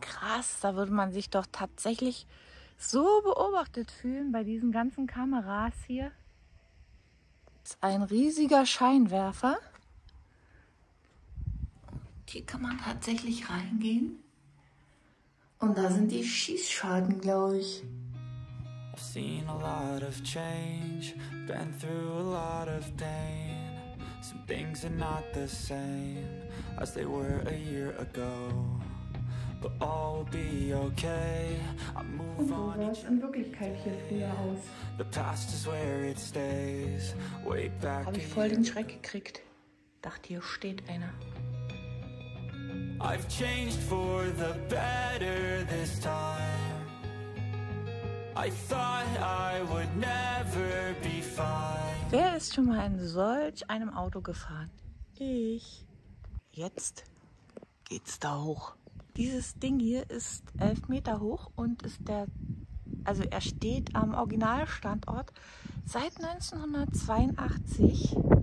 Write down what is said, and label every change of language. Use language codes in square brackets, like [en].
[de] Krass, da würde man sich doch tatsächlich so beobachtet fühlen bei diesen ganzen Kameras hier. Das ist ein riesiger Scheinwerfer. Hier kann man tatsächlich reingehen. Und da sind die Schießscharten, glaube ich. [en] I've seen a lot of change, been through a lot of pain. Some things are not the same as they were a year ago. But all will be okay. I move on each and every day. The past is where it stays. Way back. [de] Habe ich voll den Schreck gekriegt. Dachte, hier steht einer. [en] I've changed for the better this time. I thought I would never be fine. [de] Wer ist schon mal in solch einem Auto gefahren? Ich. Jetzt geht's da hoch. Dieses Ding hier ist 11 Meter hoch und ist der. Also, er steht am Originalstandort seit 1982.